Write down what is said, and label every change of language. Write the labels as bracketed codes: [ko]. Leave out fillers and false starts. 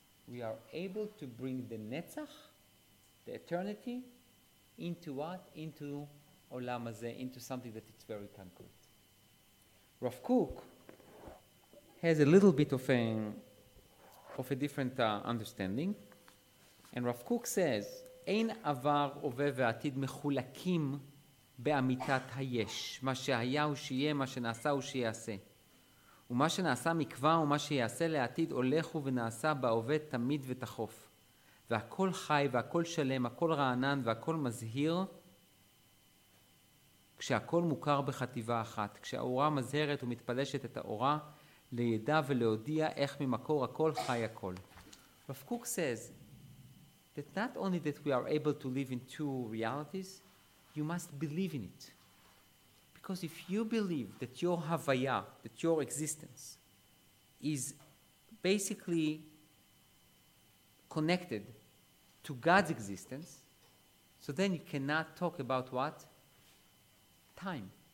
[en] We are able to bring the Netzach, the eternity, into what? Into Olam Hazeh, into something that it's very concrete. Rav Kook has a little bit of a different understanding. And Rav Kook says, [he] Ein avar ove ve'atid mechulakim באמיתת היש, מה שהיה הוא שיהיה, מה שנעשה הוא שיעשה. ומה שנעשה מקווה ומה שיעשה לעתיד הולך ונעשה בעובד תמיד ותחוף. והכל חי והכל שלם, הכל רענן והכל מזהיר, כשהכל מוכר בחטיבה אחת, כשהאורה מזהרת ומתפלשת את האורה, לידע ולהודיע איך ממקור הכל חי הכל. [en] רב קוק says, that not only that we are able to live in two realities, you must believe in it. Because if you believe that your havaya, that your existence, is basically connected to God's existence, so then you cannot talk about what? Time.